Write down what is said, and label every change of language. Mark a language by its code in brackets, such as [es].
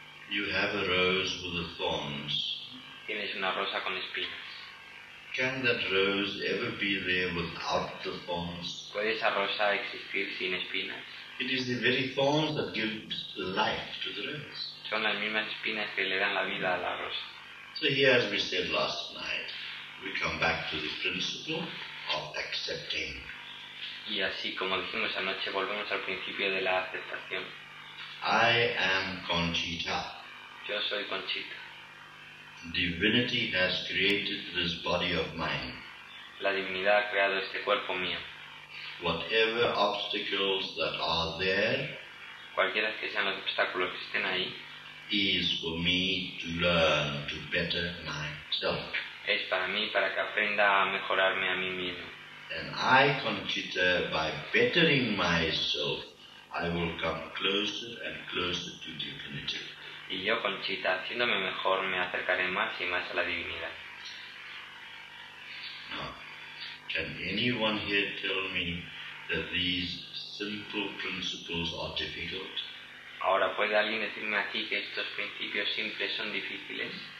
[en] You have a rose with the thorns. [es] Tienes una rosa con espinas. [en] Can that rose ever be there without the thorns? [es] ¿Puede esa rosa existir sin espinas? [en] It is the very thorns that give life to the rose. [es] Son las mismas espinas que le dan la vida a la rosa. [en] So here, as we said last night, we come back to the principle of accepting. [es] Y así como dijimos anoche, volvemos al principio de la aceptación. [en] I am Conchita. [es] Yo soy Conchita. [en] Divinity has created this body of mine. [es] La divinidad ha creado este cuerpo mío. [en] Whatever obstacles that are there, [es] cualquiera que sean los obstáculos que estén ahí, [en] is for me to learn to better myself. [es] Es para mí, para que aprenda a mejorarme a mí mismo. [en] And I, Conchita, by bettering myself, I will come closer and closer to divinity. [es] Y yo, Conchita, haciéndome mejor, me acercaré más y más a la divinidad. [en] Now, can anyone here tell me that these simple principles are difficult? [es] Ahora, ¿puede alguien decirme aquí que estos principios simples son difíciles?